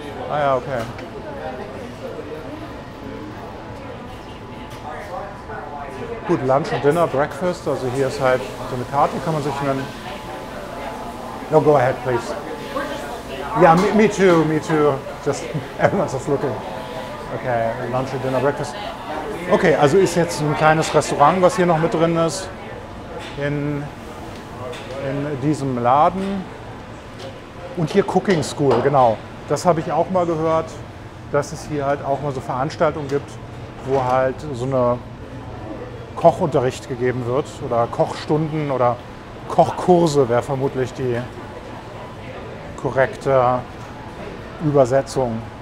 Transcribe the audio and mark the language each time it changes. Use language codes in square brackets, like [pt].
[de] Ah ja, okay. Gut, Lunch und Dinner, Breakfast. Also hier ist halt so eine Karte, kann man sich nennen. [en] No, go ahead, please. Yeah, me too. Just everyone's just looking. Okay, Lunch and Dinner, Breakfast. [de] Okay, also ist jetzt ein kleines Restaurant, was hier noch mit drin ist. In diesem Laden. Und hier Cooking School, genau. Das habe ich auch mal gehört, dass es hier halt auch mal so Veranstaltungen gibt, wo halt so eine Kochunterricht gegeben wird oder Kochstunden oder Kochkurse wäre vermutlich die korrekte Übersetzung.